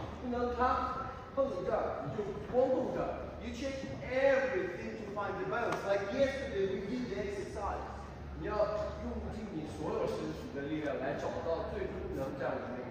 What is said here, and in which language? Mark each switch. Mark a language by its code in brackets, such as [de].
[zh] 到它，碰到这儿，你就光碰这儿。 [en] You check everything to find the balance. Like yesterday, we did the exercise. [zh] 你要用尽你所有身体的力量来找到最终能站的那一